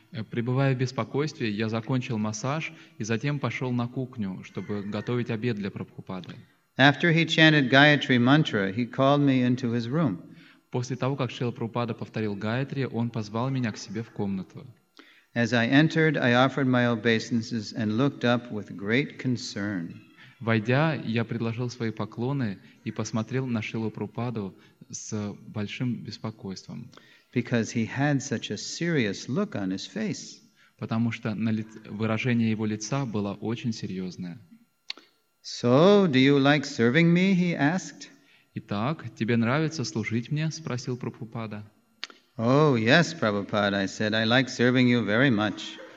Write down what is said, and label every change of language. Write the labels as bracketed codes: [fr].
[ru] Пребывая в беспокойстве, я закончил массаж и затем пошел на кухню, чтобы готовить обед для Прабхупады. [en] After he chanted Gayatri mantra, he called me into his room. [ru] После того, как Шрила Прабхупада повторил Гаятри, он позвал меня к себе в комнату. [en] As I entered, I offered my obeisances and looked up with great concern. [ru] Войдя, я предложил свои поклоны и посмотрел на Шрилу Прабхупаду с большим беспокойством. [en] Because he had such a serious look on his face. [ru] Потому что выражение его лица было очень серьезное. [en] So, do you like serving me? He asked. [ru] Итак, тебе нравится служить мне? Спросил Прабхупада. [en] Oh, yes, Prabhupada, I said, I like serving you very much.